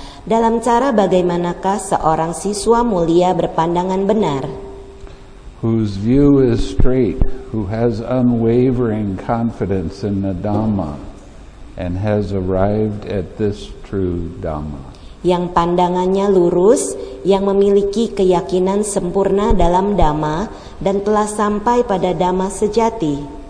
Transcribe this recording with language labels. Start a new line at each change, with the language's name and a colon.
Indonesian: Dalam cara bagaimanakah seorang siswa mulia berpandangan benar?
English: Whose view is straight, who has unwavering confidence in the Dhamma, and has arrived at this true Dhamma.
Indonesian: Yang pandangannya lurus, yang memiliki keyakinan sempurna dalam Dhamma, dan telah sampai pada Dhamma sejati.